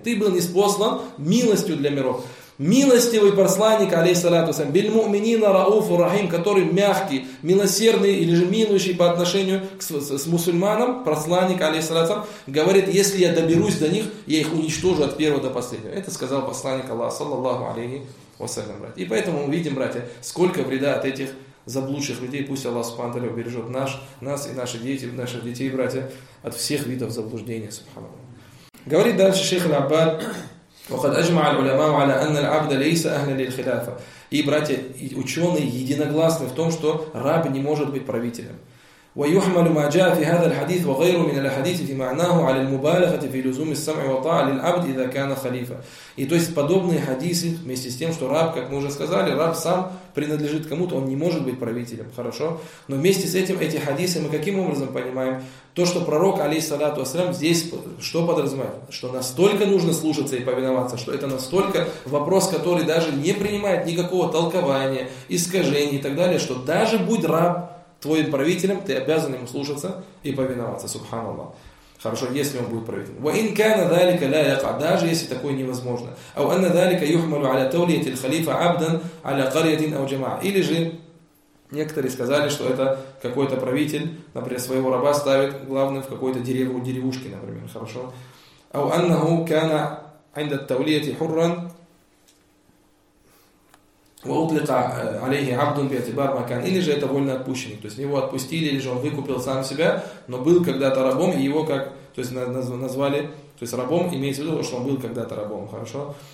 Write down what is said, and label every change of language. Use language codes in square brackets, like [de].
[ru] Ты был ниспослан милостью для миров. Милостивый посланник, алейхиссалату ассалям, [ar] биль муминина рауфу рахим, [ru] который мягкий, милосердный или же милующий по отношению с мусульманам, посланник, алейхиссалату ассалям, говорит, если я доберусь до них, я их уничтожу от первого до последнего. Это сказал посланник Аллаха, саллаллаху алейхи вассалям, братья. И поэтому мы видим, братья, сколько вреда от этих заблудших людей. Пусть Аллах субхану ва тааля убережет нас и наших детей, братья, от всех видов заблуждения, субханаллах. Говорит дальше шейх аль-Аббад, [ar] وقد اجمع العلماء على ان العبد ليس اهل للخلافه. [ru] И, братья, ученые единогласны в том, что раб не может быть правителем. [ar] ويحمل ما جاء في هذا الحديث وغيره من الحديث في معناه على المبالغة في لزوم السمع والطاعة للعبد إذا كان خليفة. [ru] И то есть подобные хадисы вместе с тем, что раб, как мы уже сказали, раб сам принадлежит кому-то, он не может быть правителем, хорошо? Но вместе с этим эти хадисы мы каким образом понимаем? То, что пророк, алейхиссалату ассалям, здесь что подразумевает? Что настолько нужно слушаться и повиноваться, что это настолько вопрос, который даже не принимает никакого толкования, искажений и так далее, что даже будь раб твоим правителем, ты обязан ему слушаться и повиноваться, субханаллах. Хорошо, если он будет правителем. [ar] وَإِنْ كَانَ ذَلِكَ لَا يَقَعْ [ru] Даже если такое невозможно. [ar] أَوْ أَنَّ ذَلِكَ يُحْمَلُ عَلَى تَوْلِيَةِ الْخَلِيفَ عَبْدًا عَلَى قَرْيَةٍ أَوْ جَمَعَ [ru] Или же, некоторые сказали, что это какой-то правитель, например, своего раба ставит главным в какой-то деревушке, например. Хорошо. [ar] أَوْ أَنَّهُ كَانَ عِنْدَ التَّوْلِيَةِ حُرًّا وأطلق عليه عبد باعتبار ما كان [ru] или же это вольно отпущенный, то есть его отпустили или же он выкупил сам себя, но был когда-то рабом и его как, то есть назвали, то есть рабом имеется в виду, что он был когда-то рабом, хорошо?